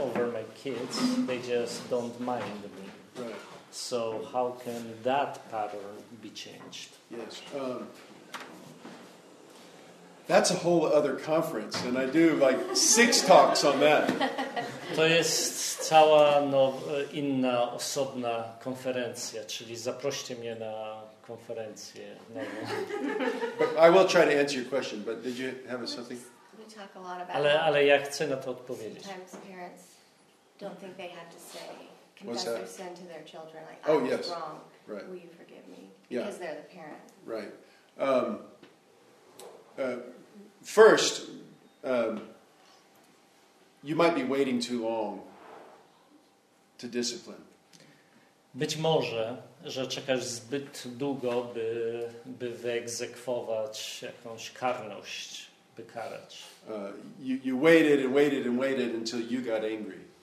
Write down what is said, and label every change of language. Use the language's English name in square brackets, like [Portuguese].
[English] over my kids, they just don't mind me. Right. So how can that pattern be changed? Yes. That's a whole other conference, and I do like 6 talks on that. [Polish] To jest cała inna, osobna konferencja, czyli zaproście mnie na konferencję. [English] I will try to answer your question, but did you have something? We talk a lot about [Polish] ale ja chcę na to odpowiedzieć. [English] Sometimes parents don't think they have to say, confess their sin to their children, like, I was yes. wrong, right. Will you forgive me? Because yeah. they're the parent. Right. First, you might be waiting too long to discipline. [Polish] Być może, że czekasz zbyt długo, by wyegzekwować jakąś karność, by karać. [English] You waited and waited and waited until you got angry.